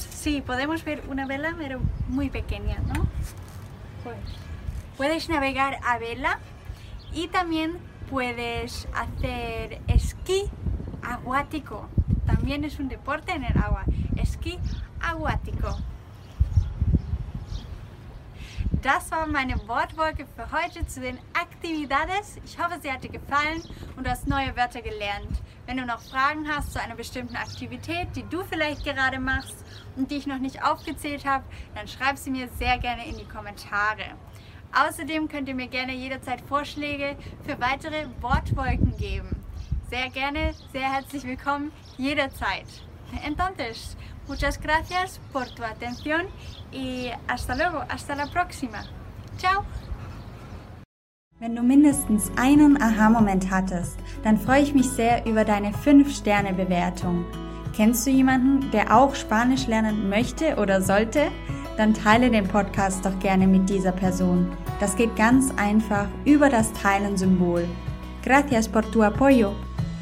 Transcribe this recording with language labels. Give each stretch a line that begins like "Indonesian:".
Spanish: Sí, podemos ver una vela, pero muy pequeña, ¿no? Puedes navegar a vela y también puedes hacer esquí acuático. También es un deporte en el agua. Esquí acuático.
German: Das war meine Wortwolke für heute zu den Aktivitäten. Ich hoffe, sie hat dir gefallen und du hast neue Wörter gelernt. Wenn du noch Fragen hast zu einer bestimmten Aktivität, die du vielleicht gerade machst und die ich noch nicht aufgezählt habe, dann schreib sie mir sehr gerne in die Kommentare. Außerdem könnt ihr mir gerne jederzeit Vorschläge für weitere Wortwolken geben. Sehr gerne, sehr herzlich willkommen, jederzeit.
Spanish: Entonces, muchas gracias por tu atención y hasta luego, hasta la próxima.
Italian: Ciao!
German: Wenn du mindestens einen Aha-Moment hattest, dann freue ich mich sehr über deine 5-Sterne-Bewertung. Kennst du jemanden, der auch Spanisch lernen möchte oder sollte? Dann teile den Podcast doch gerne mit dieser Person. Das geht ganz einfach über das Teilen-Symbol.
Spanish: Gracias por tu apoyo!